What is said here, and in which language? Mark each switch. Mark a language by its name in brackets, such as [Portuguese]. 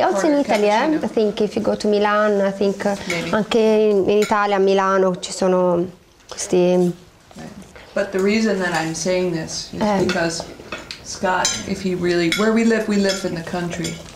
[English] also in Italy, I think if you go to Milan, I think maybe. [Italian] Anche in Italia a Milano ci sono questi. [English] But the reason that I'm saying this is because Scott, if he really, where we live in the country.